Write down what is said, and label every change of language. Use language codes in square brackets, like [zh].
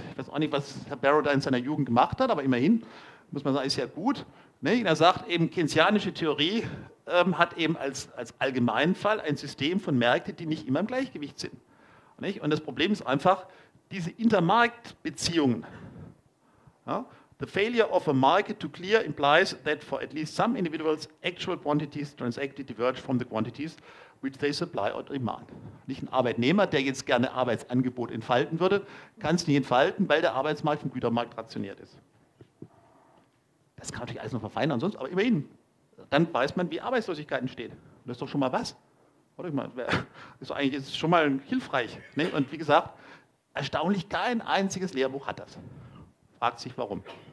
[de] Ich weiß auch nicht, was Herr Barrow da in seiner Jugend gemacht hat, aber immerhin, muss man sagen, ist ja gut. Er sagt eben, keynesianische Theorie hat eben als Allgemeinfall ein System von Märkten, die nicht immer im Gleichgewicht sind. Und das Problem ist einfach, diese Intermarktbeziehungen. [en] The failure of a market to clear implies that for at least some individuals, actual quantities transacted diverge from the quantities which they supply or demand. [de] Nicht ein Arbeitnehmer, der jetzt gerne Arbeitsangebot entfalten würde, kann es nicht entfalten, weil der Arbeitsmarkt vom Gütermarkt rationiert ist. Das kann natürlich alles noch verfeinern sonst, aber immerhin, dann weiß man, wie Arbeitslosigkeit entsteht. Das ist doch schon mal was. Warte mal, ist eigentlich ist schon mal hilfreich. Ne? Und wie gesagt, erstaunlich kein einziges Lehrbuch hat das. Fragt sich warum.